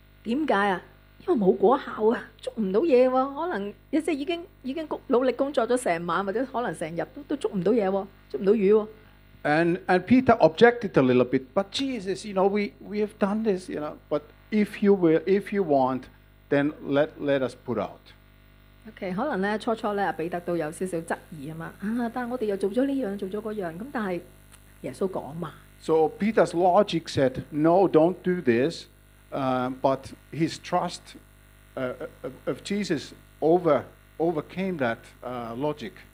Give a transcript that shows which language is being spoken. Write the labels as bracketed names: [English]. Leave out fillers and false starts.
[Cantonese] 點解啊？因為冇果效啊，捉唔到嘢喎。可能即係已經努力工作咗成晚，或者可能成日都捉唔到嘢喎，捉唔到魚喎。 [English] And Peter objected a little bit, but Jesus, you know, we have done this, you know, but if you want. Then let us put out. [Cantonese] Okay, 可能咧初初咧，彼得都有少少質疑啊嘛。啊，但係我哋又做咗呢樣，做咗嗰樣，咁但係耶穌講嘛。 [English] So Peter's logic said, "No, don't do this." But his trust of Jesus overcame that logic.